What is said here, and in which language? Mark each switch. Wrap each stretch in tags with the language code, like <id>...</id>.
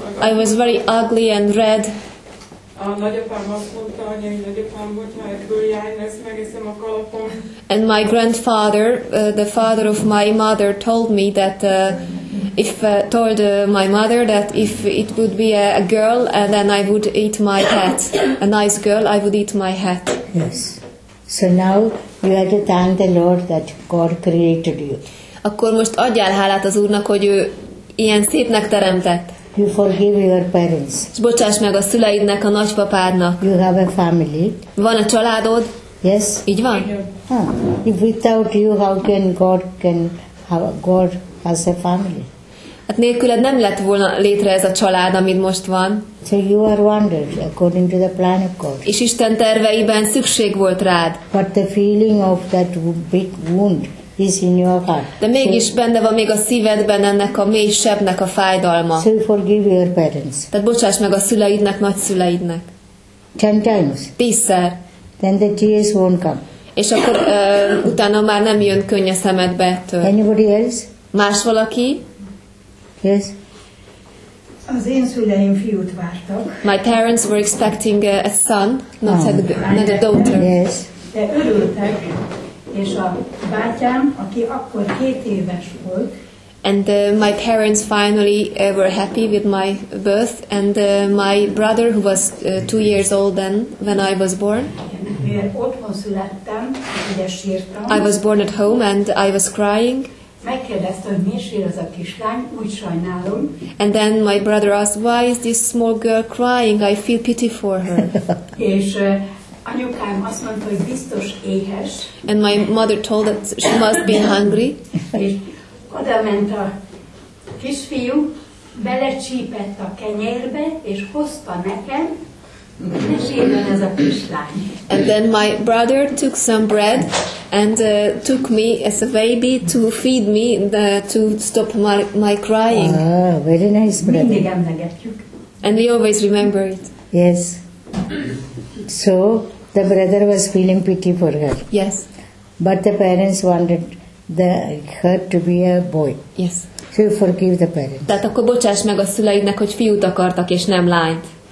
<en>I was very ugly and red. And my grandfather, the father of my mother, told me that my mother that if it would be a girl, and then I would eat my hat. A nice girl, I would eat my hat. Yes. So now you have to thank the Lord that God created you.</en> <hu>Akkor most adjál hálát az Úrnak, hogy ő ilyen szépnek teremtett.</hu> <en>You forgive your parents.</en> <hu>S bocsáss meg a szüleidnek, a nagypapádnak.</hu> <en>You have a family.</en> <hu>Van a családod?</hu> <en>Yes.</en> <hu>Így van?</hu> <en>If without you, how can God can have God has a family?</en> <hu>Hát nélküled nem lett volna létre ez a család, amit most van.</hu> <en>So you are wondered according to the plan of God.</en> <hu>És Isten terveiben szükség volt rád.</hu> <en>But the feeling of that big wound. Is in your heart.</en> <hu>De mégis benne van még a szívedben ennek a mély sebnek a fájdalma.</hu> <en>So forgive your parents.</en> <hu>Tehát bocsáss meg a szüleidnek, nagyszüleidnek.</hu> <en>10 times.</en> <hu>10-szer.</hu> <en>Then the tears won't come.</en> <hu>És akkor utána már nem jön könny a szemedbe ettől.</hu> <en>Anybody else?</en> <hu>Más valaki?</hu> <en>Yes.</en> <hu>Az én szüleim fiút vártak.</hu> <en>My parents were expecting a son, not a daughter. Yes.</en> <hu>De örültek. És a bátyám, aki akkor 7 éves volt.</hu> <en>And my parents finally were happy with my birth. And my brother, who was 2 years old when I was born.</en> <hu>Otthon születtem, ugye sírtam.</hu> <en>I was born at home and I was crying.</en> <hu>Megkérdezte, hogy miért sír az a kislány, úgy sajnálom.</hu> <en>And then my brother asked, why is this small girl crying? I feel pity for her.</en> <hu>És anyukám azt mondta, hogy biztos éhes.</hu> <en>And my mother told that she must be hungry.</en> <hu>Oda ment a kisfiú, belecsípett a kenyérbe, és hozta nekem, ne sírjon ez a kislány.</hu> <en>And then my brother took some bread and took me as a baby to feed me, to stop my crying. Ah, very nice bread.</en> <hu>Mindig emlegetjük.</hu> <en>And we always remember it. Yes. So, the brother was feeling pity for her. Yes. But the parents wanted her to be a boy. Yes. So you forgive the parents.</en> <hu>Tehát akkor bocsáss meg a szüleidnek, hogy fiút akartak, és nem lányt.</hu>